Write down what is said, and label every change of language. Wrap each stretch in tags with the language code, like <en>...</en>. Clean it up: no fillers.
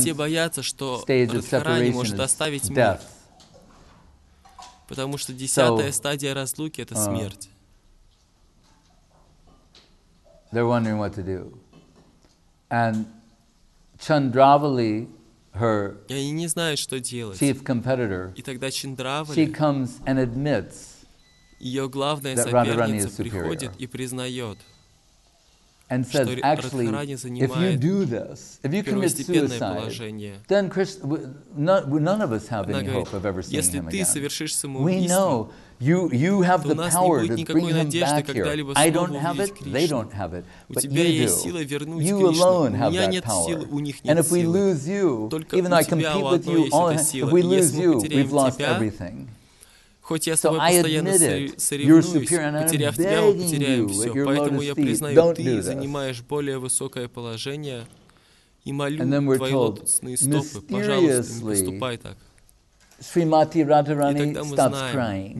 <ru>все боятся, что Радхарани может оставить мир. Потому что десятая стадия разлуки — это смерть.</ru> <en>They're wondering what to do. And Chandravali, her chief competitor, she comes and admits that Radharani is superior. And says, actually, if you do this, if you commit suicide, then none of us have any hope of ever seeing him again. We know you have the power to bring him back here. I don't have it, they don't have it, but you do. You alone have that power. And if we lose you, even though I compete with you, if we lose you, we've lost everything.</en> <ru>Хоть я с тобой постоянно соревнуюсь, потеряв тебя, мы потеряем все. Поэтому я признаю, ты занимаешь более высокое положение и молю твои лотосные стопы. Пожалуйста, не поступай так. И тогда мы знаем,</ru>